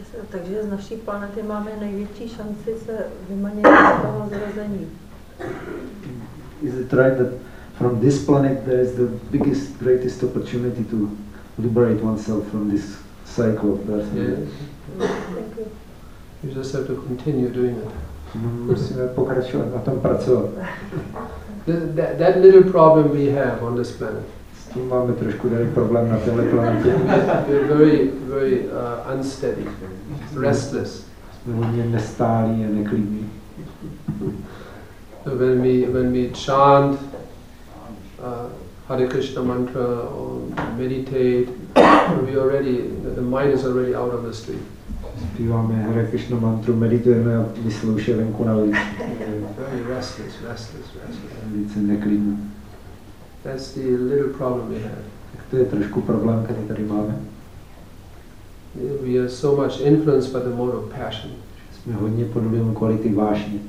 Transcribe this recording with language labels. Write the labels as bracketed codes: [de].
[cs] Takže z naší planety máme největší šanci se vymanit z toho zrození. [en] Is it right that from this planet there is the biggest, greatest opportunity to liberate oneself from this cycle of birth? Yes. You just have to continue doing it. [cs] Musíme pokračovat na tom pracovat. [en] That little problem we have on this planet. [cs] S tím máme trošku tady problém na téhle planetě. [en] We're very, very unsteady, restless. [cs] Jsme hodně nestálí a neklidní. [en] When we chant Hare Krishna mantra or meditate, we already, the mind is already out of the street. [cs] Zpíváme Hare Krishna mantru, meditujeme a mysl už je venku na ulici. [en] Very restless. [cs] Více neklidný. [en] That's the little problem we have. [cs] Tak to je trošku problém, který tady máme. [en] We are so much influenced by the mode of passion. [cs] jsme hodně pod vlivem kvality vášně.